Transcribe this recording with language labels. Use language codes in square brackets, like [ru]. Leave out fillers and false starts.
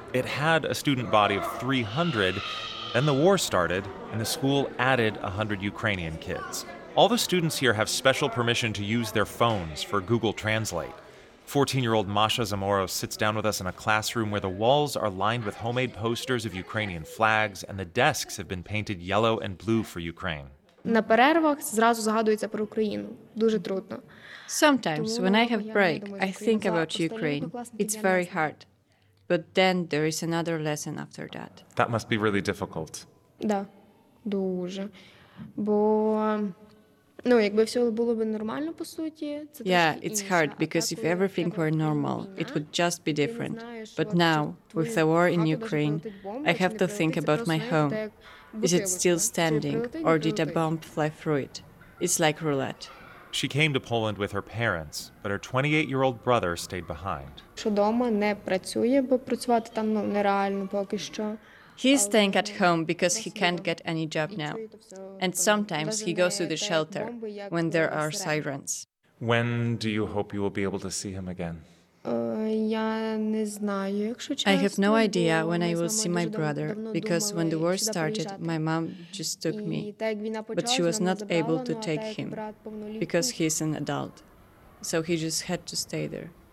[en] It had a student body of 300, then the war started, and the school added 100 Ukrainian kids. All the students here have special permission to use their phones for Google Translate. 14-year-old Masha Zamoro sits down with us in a classroom where the walls are lined with homemade posters of Ukrainian flags, and the desks have been painted yellow and blue for Ukraine. [uk] На перервах зразу згадується про Україну. Дуже трудно. [en] Sometimes, when I have break, I think about Ukraine. It's very hard. But then there is another lesson after that. That must be really difficult. [uk] Да, дуже. Бо... Ну, якби все було б нормально, по суті, це трошки. [en] Yeah, it's hard, because if everything were normal, it would just be different. But now, with the war in Ukraine, I have to think about my home. Is it still standing, or did a bomb fly through it? It's like roulette. She came to Poland with her parents, but her 28-year-old brother stayed behind. [uk] Що вдома не працює, бо працювати там нереально поки що. [en] He's staying at home because he can't get any job now. And sometimes he goes to the shelter when there are sirens. When do you hope you will be able to see him again? I have no idea when I will see my brother, because when the war started, my mom just took me, but she was not able to take him, because he's an adult, so he just had to stay there.